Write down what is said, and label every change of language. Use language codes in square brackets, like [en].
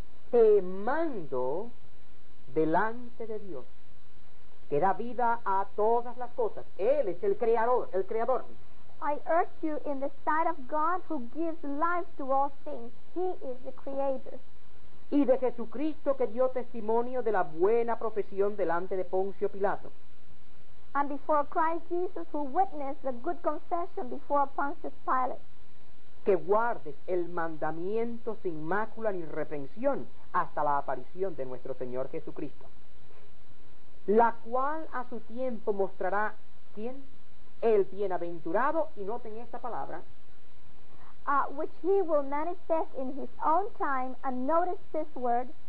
[es] Te mando delante de Dios, que da vida a todas las cosas. Él es el creador. [en] I urge you in the sight of God, who gives life to all things. He is the creator. [es] Y de Jesucristo, que dio testimonio de la buena profesión delante de Poncio Pilato. [en] And before Christ Jesus, who witnessed the good confession before Pontius Pilate. [es] Que guardes el mandamiento sin mácula ni reprensión hasta la aparición de nuestro Señor Jesucristo. La cual a su tiempo mostrará, ¿quién? El bienaventurado, y noten esta palabra, [en] Which he will manifest in his own time, and notice this word,